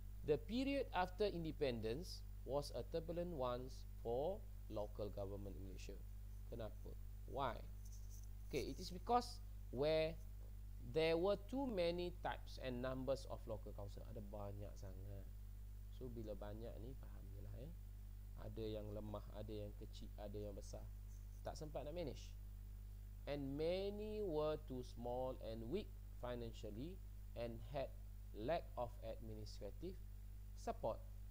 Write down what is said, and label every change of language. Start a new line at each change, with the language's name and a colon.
English: The period after independence was a turbulent one for local government in Malaysia. Kenapa? Why? Okay, it is because where there were too many types and numbers of local council.
Malay: Ada banyak sangat. So bila banyak ni, fahamilah ya. Ada yang lemah, ada yang kecil, ada yang besar. Tak sempat nak manage.
English: And many were too small and weak financially and had lack of administrative support.